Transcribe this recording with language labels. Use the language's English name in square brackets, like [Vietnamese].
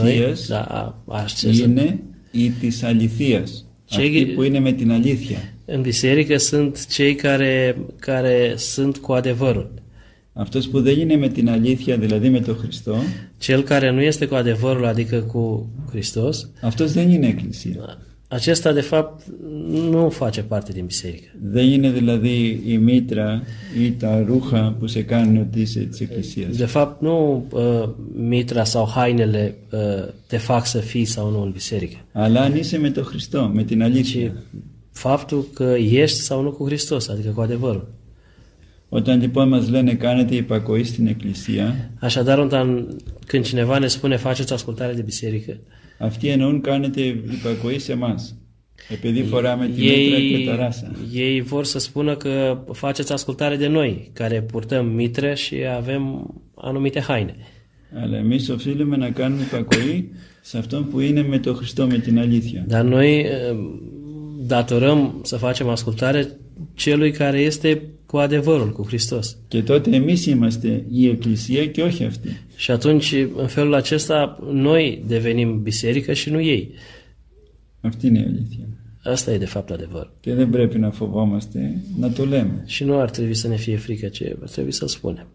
[Romanian] noi, da, [Greek] είναι ή της αληθείας. Αυτοί που είναι με την αλήθεια. [Romanian] În biserică sunt cei care sunt cu adevărul. [Greek] Αυτός που δεν είναι με την αλήθεια, δηλαδή με τον Χριστό. [Romanian] Cel care nu este cu adevărul, adică cu Hristos. [Greek] Αυτός δεν είναι εκκλησία. [Romanian] Acesta de fapt nu face parte din biserică. [Greek] Δεν είναι δηλαδή η μήτρα ή τα ρούχα που σε κάνουν ότι είσαι της εκκλησίας. [Romanian] De fapt nu μήτρα sau hainele te fac să fii sau nu în biserică. [Greek] Αλλά αν είσαι με τον Χριστό, με την αλήθεια. [Romanian] Faptul că ești sau nu cu Hristos, adică cu adevărul. [Greek] Όταν λοιπόν μας λένε κάνετε υπακοή στην Εκκλησία. [Romanian] Așadar, [Greek] όταν, [Romanian] când cineva ne spune faceți ασκολτάρε de biserică. [Greek] Αυτοί εννοούν κάνετε υπακοή σε εμάς. Επειδή φοράμε τη μήτρα και τα ράσα. [Romanian] Ei vor să spună că faceți ασκολτάρε de noi, care purtăm mitre și avem anumite haine. [Greek] Αλλά εμείς οφείλουμε να κάνουμε υπακοή σε αυτόν που είναι με τον Χριστό, με την αλήθεια. [Romanian] Dar noi datorăm să facem ascultare celui care este cu adevărul, cu Hristos. [Greek] Και τότε εμείς είμαστε η Εκκλησία και όχι αυτή. [Romanian] Și atunci, în felul acesta, noi devenim biserică și nu ei. [Greek] Αυτή είναι η αλήθεια. [Romanian] Asta e de fapt adevărul. [Greek] Και δεν πρέπει να φοβόμαστε, να το λέμε. [Romanian] Și nu ar trebui să ne fie frică, ci ar trebui să-l spunem.